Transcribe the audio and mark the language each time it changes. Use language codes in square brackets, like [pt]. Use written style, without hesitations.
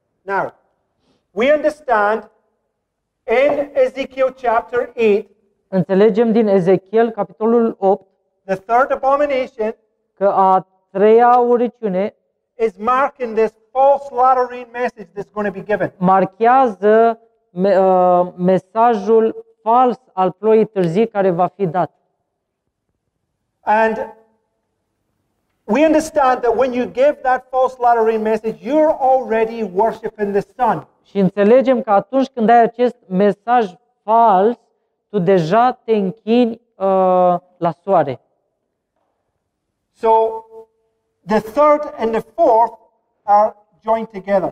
[en] Now, we understand in Ezekiel chapter 8. [ro] Înțelegem din Ezekiel capitolul 8. [en] The third abomination, [ro] că a treia urăciune, [en] is marking this false lottering message that's going to be given. [ro] Marchează mesajul fals al ploii târzii care va fi dat. [en] And we understand that when you give that false lottering message, you're already worshiping the sun. [ro] Și înțelegem că atunci când ai acest mesaj fals, tu deja te închini la soare. [en] So the third and the fourth are joined together.